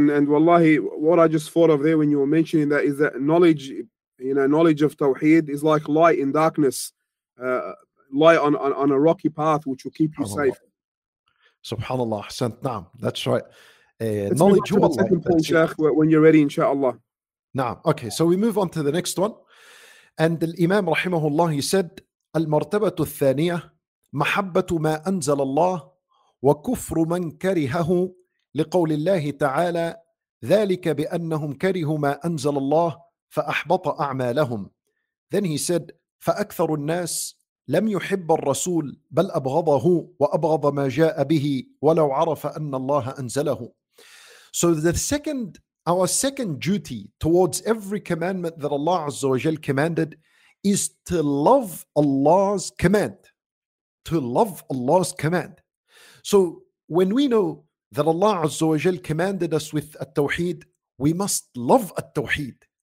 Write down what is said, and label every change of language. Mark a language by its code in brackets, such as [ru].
[en] And wallahi, what I just thought of there when you were mentioning that is that knowledge, you know, knowledge of tawheed is like light in darkness, light on a rocky path, which will keep you safe. Subhanallah, [ar] ahsant, naam. [en] That's right. Knowledge of the second point, shaykh, when you're ready, inshallah. [ar] Naam. [en] Okay, so we move on to the next one. And Imam rahimahullah, he said, [ar] المرتبة الثانية محبة ما أنزل الله وكفر من كرهه لقول الله تعالى ذلك بأنهم كرهوا ما أنزل الله فأحبط أعمالهم. [en] Then he said, [ar] فأكثر الناس لم يحب الرسول بل أبغضه وأبغض ما جاء به ولو عرف أن الله أنزله. [en] So our second duty towards every commandment that Allah Azza wa Jal commanded is to love Allah's command. To love Allah's command. So when we know that Allah Azza wa Jal commanded us with at-tawheed, we must love at-tawheed.